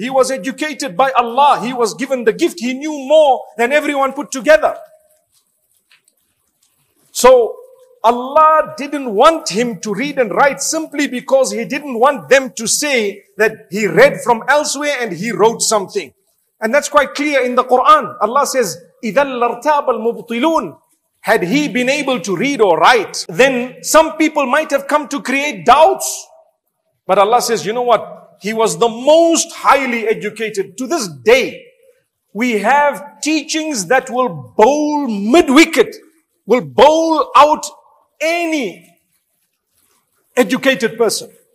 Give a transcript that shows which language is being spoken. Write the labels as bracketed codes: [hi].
[en] He was educated by Allah. He was given the gift. He knew more than everyone put together. So Allah didn't want him to read and write simply because he didn't want them to say that he read from elsewhere and he wrote something. And that's quite clear in the Quran. [ar] Allah says, إِذَا لَرْتَابَ الْمُبْطِلُونَ. [en] Had he been able to read or write, then some people might have come to create doubts. But Allah says, you know what? He was the most highly educated. To this day, we have teachings that will bowl mid-wicket, will bowl out any educated person.